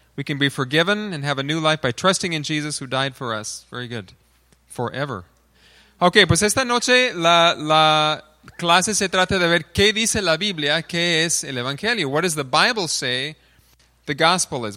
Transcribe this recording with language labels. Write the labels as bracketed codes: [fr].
[en] We can be forgiven and have a new life by trusting in Jesus who died for us. Very good. Forever. [es] Ok, pues esta noche la clase se trata de ver qué dice la Biblia, qué es el Evangelio. [en] What does the Bible say the gospel is?